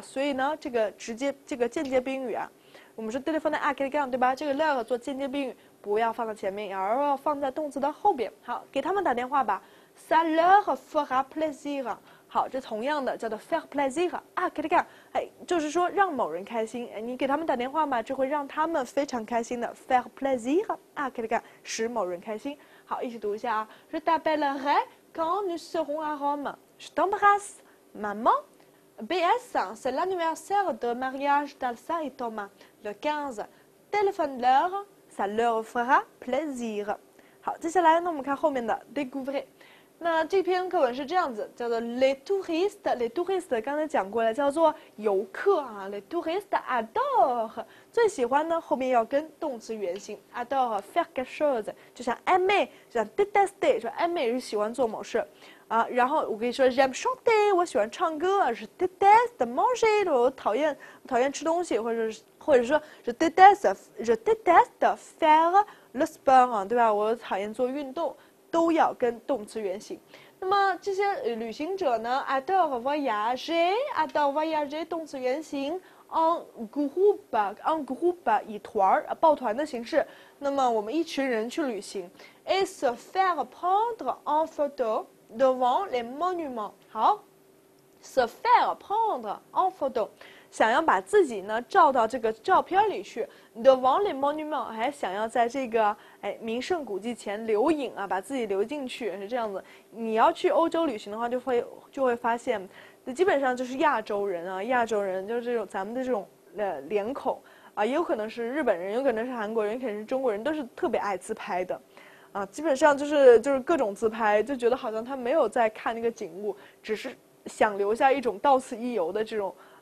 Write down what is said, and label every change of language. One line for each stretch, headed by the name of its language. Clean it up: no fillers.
Chinese: 所以呢，这个直接这个间接宾语啊，我们说
French: téléphone à quelqu'un
Chinese: 对吧？这个 leur 做间接宾语，不要放在前面，而要放在动词的后边。好，给他们打电话吧。
French: Ça leur fera plaisir。
Chinese: 好，这同样的叫做
French: faire plaisir
Chinese: 啊 quelqu'un， 哎，就是说让某人开心，哎，你给他们打电话嘛，这会让他们非常开心的 faire plaisir 啊 quelqu'un， 使某人开心。好，一起读一下啊，
French: je t'appellerai quand nous serons à Rome， je t'embrasse maman， BS c'est l'anniversaire de mariage d'Alsa et Thomas le 15， téléphone leur， ça leur fera plaisir。
Chinese: 好，接下来那我们看后面的 découvrir。那这篇课文是这样子，叫做 les touristes， les touristes 刚才讲过了，叫做游客啊，
French: les touristes adore，
Chinese: 最喜欢呢后面要跟动词原形
French: adore faire quelque chose，
Chinese: 就像 aimer， 就像 détester， 说 aimer 是喜欢做某事啊。然后我可以说
French: j'aime chanter，
Chinese: 我喜欢唱歌，是
French: détester manger，
Chinese: 我讨厌吃东西，或者说是
French: détester faire le sport，
Chinese: 对吧，我讨厌做运动，都要跟动词原形。那么这些旅行者呢 ？
French: Adore voyager， adore voyager，
Chinese: 动词原形 ，
French: en groupe， en groupe，
Chinese: 以团儿、抱团的形式。那么我们一群人去旅行
French: ，et se faire prendre en photo devant les monuments。
Chinese: 好 ，
French: se faire prendre en photo，
Chinese: 想要把自己呢照到这个照片里去。
French: Devant les monuments，
Chinese: 还想要在这个哎名胜古迹前留影啊，把自己留进去，是这样子。你要去欧洲旅行的话，就会发现，基本上就是亚洲人啊，亚洲人就是这种咱们的这种脸孔啊，也有可能是日本人，有可能是韩国人，有可能是中国人，都是特别爱自拍的，啊，基本上就是各种自拍，就觉得好像他没有在看那个景物，只是想留下一种到此一游的这种。